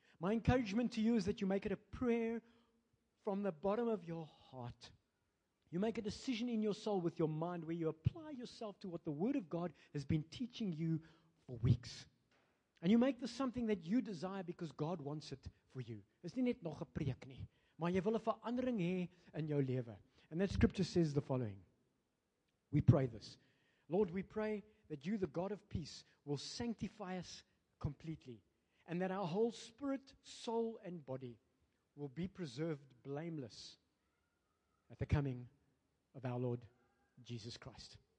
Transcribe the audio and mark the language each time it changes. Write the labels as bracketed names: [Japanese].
[English] My encouragement to you is that you make it a prayer from the bottom of your heart. You make a decision in your soul with your mind where you apply yourself to what the Word of God has been teaching you for weeks. And you make this something that you desire because God wants it for you. [Afrikaans] Dis nie net nog 'n preek nie, maar jy wil 'n verandering hê in jou lewe. [English] And that scripture says the following. We pray this. Lord, we pray that you, the God of peace, will sanctify us completely and that our whole spirit, soul, and body will be preserved blameless at the coming of our Lord Jesus Christ.